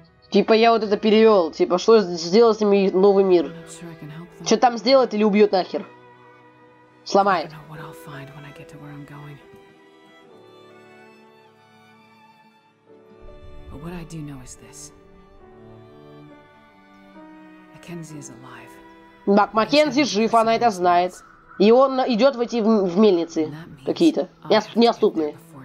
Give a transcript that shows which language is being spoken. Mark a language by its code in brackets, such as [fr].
[ru] Типа я вот это перевел. Типа что сделать с ними новый мир? Что там сделать или убьет нахер? Сломай. [en] But what I do know is this. Маккензи is alive. [ru] Так, Маккензи жив, она это знает. И он идет в эти в мельницы какие-то. Неоступные.